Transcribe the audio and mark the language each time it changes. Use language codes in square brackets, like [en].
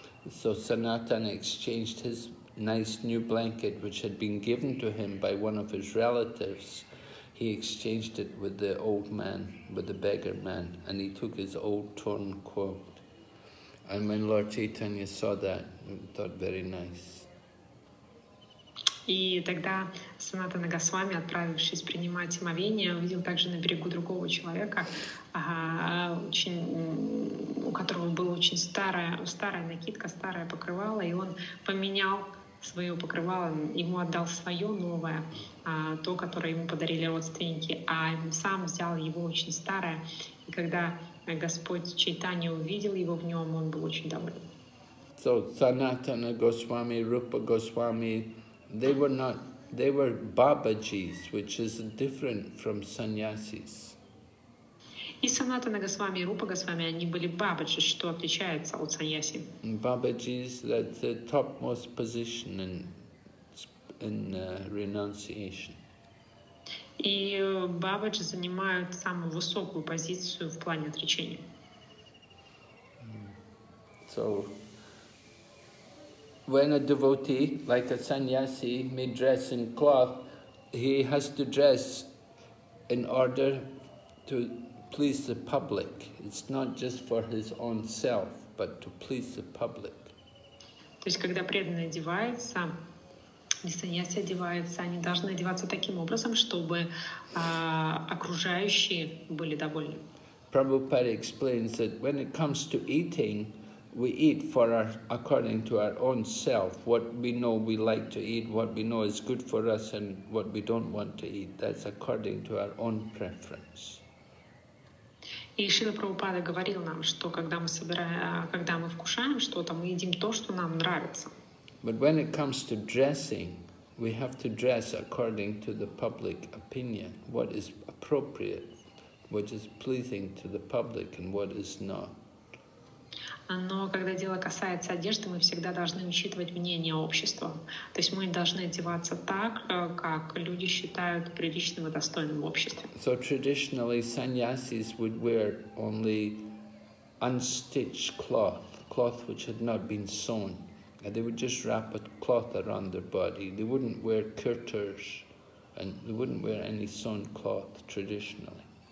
[en] So Sanatan exchanged his nice new blanket, which had been given to him by one of his relatives. He exchanged it with the old man, with the beggar man, and he took his old torn coat. And when Lord Chaitanya saw that, he thought, very nice. [ru] И тогда Санатана Госвами, отправившись принимать омовение, увидел также на берегу другого человека, у которого была очень старая накидка, старое покрывало, и он поменял свое покрывало, ему отдал свое новое, то, которое ему подарили родственники, а сам взял его очень старое. И когда Господь Чайтани увидел его в нем, он был очень доволен. [en] So, Sanatana Goswami, Rupa Goswami, they were Babaji's, which is different from sannyasis. [ru] И Санатана Госвами и Рупа Госвами, они были бабаджи, что отличается от саньяси. Бабаджи — это [en] the topmost position in renunciation. [ru] И бабаджи занимают самую высокую позицию в плане отречения. [en] So, when a devotee, like a sannyasi, may dress in cloth, he has to dress in order to please the public. It's not just for his own self, but to please the public. [ru] То есть, когда преданный одевается, и саньяси одеваются, они должны одеваться таким образом, чтобы окружающие были довольны. [en] Prabhupada explains that when it comes to eating, we eat for our, according to our own self, what we know we like to eat, what we know is good for us, and what we don't want to eat. That's according to our own preference. [ru] И Шрила Прабхупада говорил нам, что когда мы вкушаем что-то, мы едим то, что нам нравится. [en] But when it comes to dressing, we have to dress according to the public opinion, what is appropriate, what is pleasing to the public and what is not. [ru] Но когда дело касается одежды, мы всегда должны учитывать мнение общества. То есть мы должны одеваться так, как люди считают приличным и достойным в обществе. [en] So traditionally sannyasis would wear only unstitched cloth which had not been sewn. And they would just wrap a cloth around their body. They wouldn't wear kirtars and they wouldn't wear any sewn cloth traditionally.